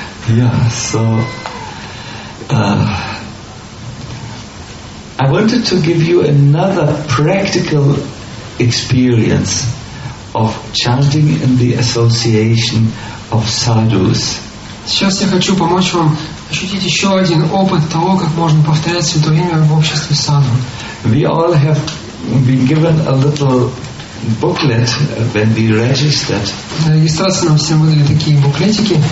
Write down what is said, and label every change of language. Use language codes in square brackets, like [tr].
[en] Yeah, so I wanted to give you another practical experience of chanting in the association of sadhus. [ru] Сейчас я хочу помочь вам ощутить еще один опыт того, как можно повторять святое имя в обществе садху. [en] We all have been given a little booklet when we registered. [ru] На регистрации нам всем выдали такие буклетики.